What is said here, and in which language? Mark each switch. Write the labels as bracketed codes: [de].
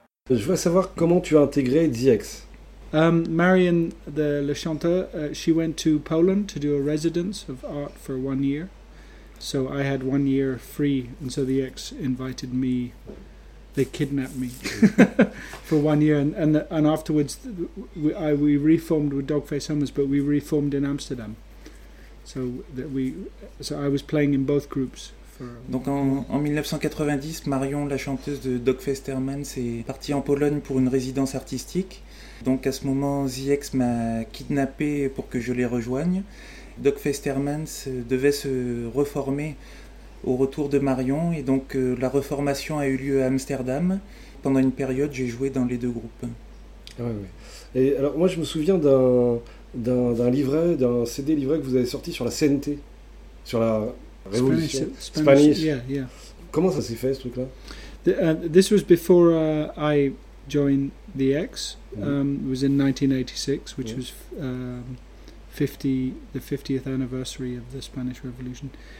[fr] Je voudrais savoir comment tu as intégré DX. [en] Marion, [fr] le chanteur, [en] she went to Poland to do a residence of art for 1 year. So I had 1 year free, and so the ex invited me. They kidnapped me for 1 year, and afterwards, we reformed with Dogface Hummers, but we reformed in Amsterdam. So I was playing in both groups. [fr] Donc en 1990, Marion, la chanteuse de Dogface Hummers, est partie en Pologne pour une résidence artistique. Donc à ce moment, ZX m'a kidnappé pour que je les rejoigne. Dogface Hummers devait se reformer au retour de Marion, et donc la reformation a eu lieu à Amsterdam. Pendant une période, j'ai joué dans les deux groupes. Ouais, ouais. Et alors moi, je me souviens d'un livret, d'un CD livret que vous avez sorti sur la CNT, sur la révolution [en] Spanish. Yeah, yeah. [fr] Comment ça s'est fait, ce truc-là? [en] This was before I joined the X. It was in 1986, which was 50th anniversary of the Spanish Revolution.